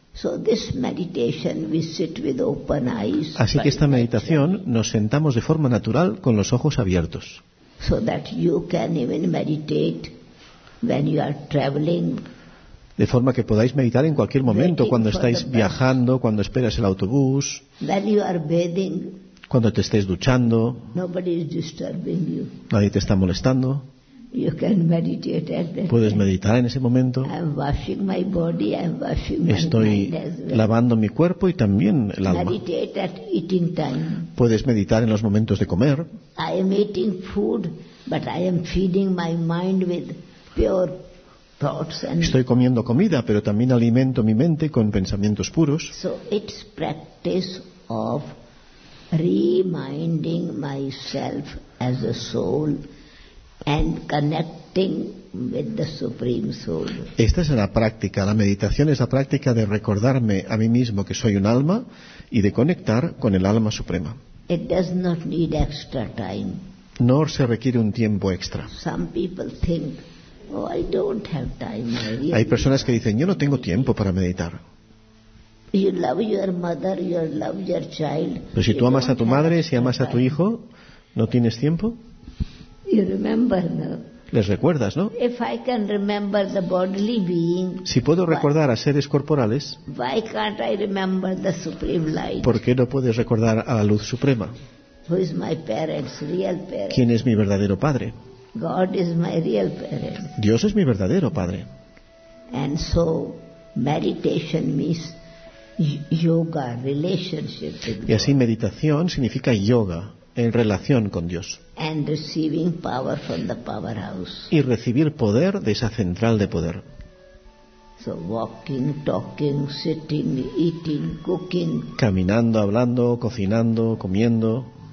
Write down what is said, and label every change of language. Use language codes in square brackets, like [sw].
[en] So this meditation, we sit with open eyes. [es] Así que esta meditación nos sentamos de forma natural con los ojos abiertos. [en] So that you can even meditate when you are traveling. [es] De forma que podáis meditar en cualquier momento, cuando estáis viajando, cuando esperas el autobús. [en] When you are bathing. [es] Cuando te estés duchando, [en] nobody is disturbing you. [es] Nadie te está molestando. [en] You can meditate at that time. [es] Puedes meditar en ese momento. [en] I'm washing my body, I'm washing my [es] estoy [en] mind as well. [es] Lavando mi cuerpo y también el alma. [en] Meditate at eating time. [es] Puedes meditar en los momentos de comer. [en] I am eating food, but I am feeding my mind with pure thoughts and [es] estoy comiendo comida, pero también alimento mi mente con pensamientos puros. [en] So it's practice of reminding myself as a soul and connecting with the Supreme Soul. [es] Esta es la práctica, la meditación es la práctica de recordarme a mí mismo que soy un alma y de conectar con el alma suprema. [en] It does not need extra time. [es] No se requiere un tiempo extra. [en] Some people think, oh, I don't have time. [es] Hay personas que dicen, yo no tengo tiempo para meditar. [en] You love your mother, you love your child. [es] Pero si tú amas a tu madre, si amas a tu hijo, ¿no tienes tiempo? [en] You remember, no? [es] ¿Les recuerdas, no? [en] If I can remember the bodily being, [es] si puedo recordar a seres corporales, [en] why can't I remember the supreme light? [es] ¿Por qué no puedes recordar a la luz suprema? [en] Who is my parents, real parents? [es] ¿Quién es mi verdadero padre? [en] God is my real parent. [es] Dios es mi verdadero padre. [en] And so meditation means yoga, relationship with God. [es] Y así meditación significa yoga, en relación con Dios. [en] And receiving power from the powerhouse. [es] Y recibir poder de esa central de poder. [en] So walking, talking, sitting, eating, cooking. [es] Caminando, hablando, cocinando, comiendo.